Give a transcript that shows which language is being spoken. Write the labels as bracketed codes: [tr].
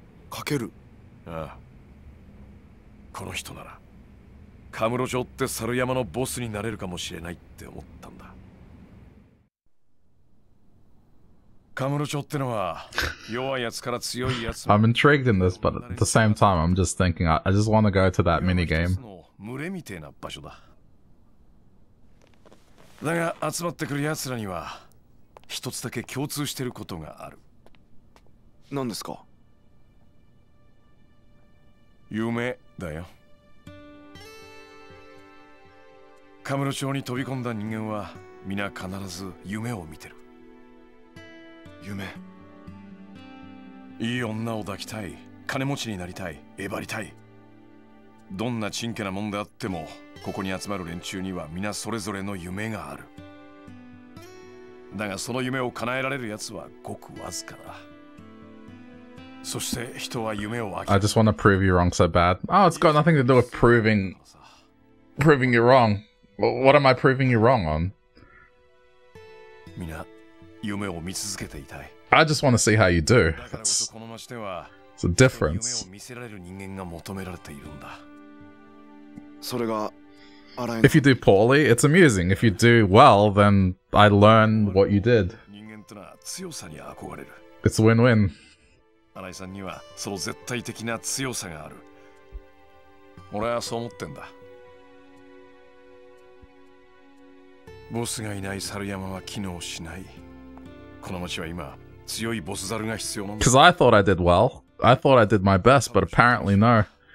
[ja] かける? ああ。この人ならカムロ城って猿山のボスになれるかもしれないって思ったんだ。カムロ城ってのは弱い奴から強い奴。 [en] I'm intrigued in this, but at the same time, I'm just thinking, I just want to go to that mini game. [ja] 群れみてえな場所だ。だが集まってくる奴らには一つだけ共通してることがある。何ですか？夢だよ。カムロ町に飛び込んだ人間は皆必ず夢を見てる。夢。いい女を抱きたい、金持ちになりたい、えばりたい。どんなちんけなもんであっても、ここに集まる連中には皆それぞれの夢がある。だがその夢を叶えられるやつはごくわずかだ。そして人は夢を諦 [en] める。I just want to prove you wrong so bad. Oh, it's got nothing to do with proving you wrong. What am I proving you wrong on? [ja] みんな夢を見続けていたい。 [en] I just want to see how you do. It's a difference. [ja] 夢を見せられる人間が求められているんだ。それが [en] If you do poorly, it's amusing. If you do well, then I learn what you did. It's win-win. [ja] アライさんにはその絶対的な強さがある。俺はそう思ってんだ。ボスがいない猿山は機能しない。この街は今強いボス猿が必要なんだ。 [en] Because I thought I did well. I thought I did my best, but apparently no.